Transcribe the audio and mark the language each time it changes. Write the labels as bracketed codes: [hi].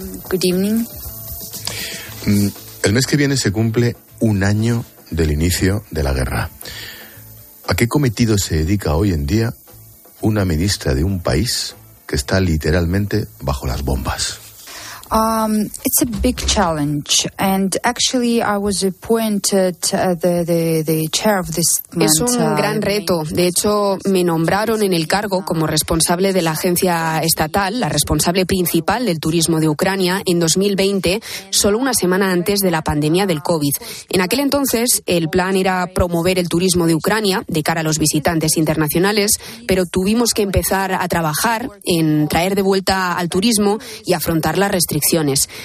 [en] Good evening. [es] El mes que viene se cumple un año del inicio de la guerra. ¿A qué cometido se dedica hoy en día una ministra de un país que está literalmente bajo las bombas? [en] It's a big challenge, and actually I was appointed the chair of this. [es] Es un gran reto. De hecho, me nombraron en el cargo como responsable de la agencia estatal, la responsable principal del turismo de Ucrania, en 2020, solo una semana antes de la pandemia del COVID. En aquel entonces, el plan era promover el turismo de Ucrania de cara a los visitantes internacionales, pero tuvimos que empezar a trabajar en traer de vuelta al turismo y afrontar las restricciones.